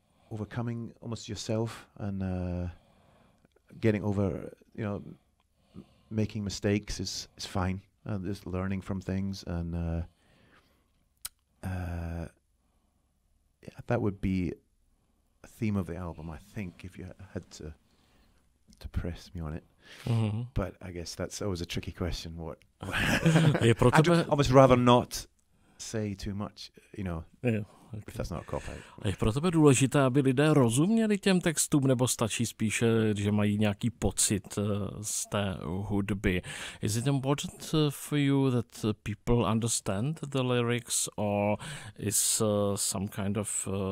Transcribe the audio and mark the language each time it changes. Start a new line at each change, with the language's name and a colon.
English: overcoming almost yourself and getting over, making mistakes is fine, and just learning from things, and that would be theme of the album, I think, if you had to press me on it. Mm-hmm. But I guess that's always a tricky question. What?
Czech: Je pro tebe...
English: I'd almost rather not say too much, okay. If that's not a cop-out.
Czech: Je pro tebe důležité, aby lidé rozuměli těm textům, nebo stačí spíše, že mají nějaký pocit z té hudby?
English: Is it important for you that people understand the lyrics, or is some kind of...